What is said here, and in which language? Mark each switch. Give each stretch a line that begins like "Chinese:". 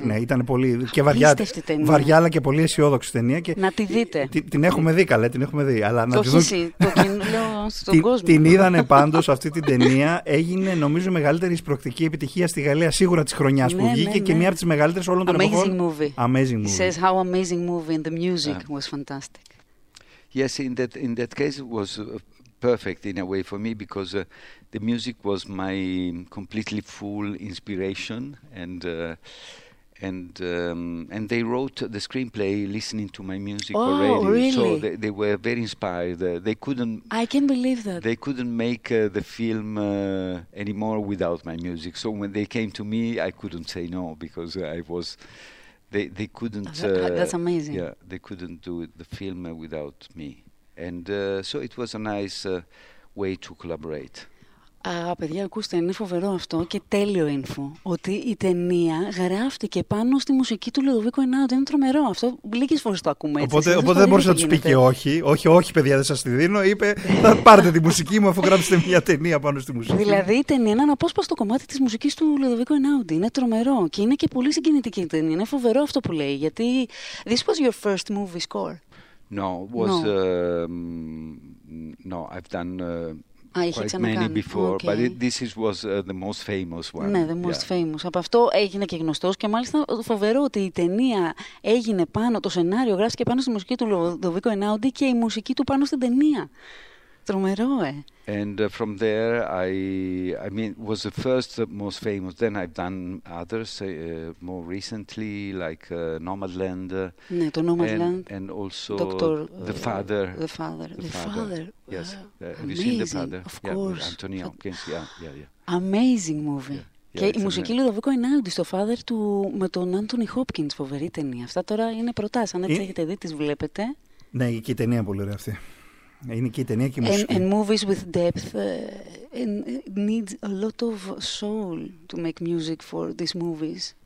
Greek: Ναι, ήταν πολύ και βαριά, αλλά και πολύ αισιόδοξη ταινία. Και να τη δείτε. Την έχουμε δει, καλέ, την έχουμε δει. Αλλά να δούμε. Το κοινό στον κόσμο. Την είδανε πάντως αυτή την ταινία. Έγινε, νομίζω, μεγαλύτερη εισπρακτική επιτυχία στη Γαλλία σίγουρα της χρονιάς που βγήκε και μία από τις μεγαλύτερες όλων των
English: amazing
Greek: εποχών.
English: Amazing movie. He says how amazing movie and the music was fantastic. Yes, in that case it was perfect in a way for me because the music was my completely full inspiration and. And they wrote the screenplay listening to my music already. Really? So they were very inspired. They couldn't. I can believe that. They couldn't make the film anymore without my music. So when they came to me, I couldn't say no because I was. They couldn't. That's amazing. Yeah, they couldn't do the film without me. And so it was a nice way to collaborate.
Greek: Παιδιά, ακούστε, είναι φοβερό αυτό και τέλειο info, ότι η ταινία γράφτηκε πάνω στη μουσική του Λουδοβίκου Εινάουντι. Είναι τρομερό αυτό, λίγες φορές το ακούμε έτσι. Οπότε δεν μπορούσε να τους πει και όχι. Όχι, όχι, παιδιά, δεν σας τη δίνω. Είπε, θα πάρετε τη μουσική μου αφού γράψετε μια ταινία πάνω στη μουσική. Δηλαδή, η ταινία είναι ένα απόσπαστο κομμάτι της μουσικής του Λουδοβίκου Εινάουντι. Είναι τρομερό και είναι και πολύ συγκινητική η ταινία. Είναι φοβερό αυτό που λέει, γιατί
English: this was your first movie score. No, I've done... Quite many before, okay. But this was the most famous one. Ναι, the most famous.
Greek: Από αυτό έγινε και γνωστός και μάλιστα φοβερό ότι η ταινία έγινε πάνω, το σενάριο γράφτηκε πάνω στη μουσική του Λουδοβίκο Εινάουντι και η μουσική του πάνω στην ταινία. Τρομερό, ε!
English: And from there, I mean, was the first most famous. Then I've done others more recently, like Nomadland.
Greek: Ναι, το Nomadland.
English: And also Doctor, The Father. The Father. Yes. Amazing. Have you seen The Father? Of course. Yeah, Anthony Hopkins. Yeah. Amazing movie. Yeah.
Greek: Και η μουσική Λουδοβίκο Εινάουντι στο Father του με τον Anthony Hopkins. Φοβερή ταινία. Αυτά τώρα είναι προτάσεις. Αν τις έχετε δει, τις βλέπετε. Ναι, και η ταινία πολύ ωραία αυτή. Είναι και η ταινία και η μουσική.
English: And movies with depth need a lot of soul to make music for these movies.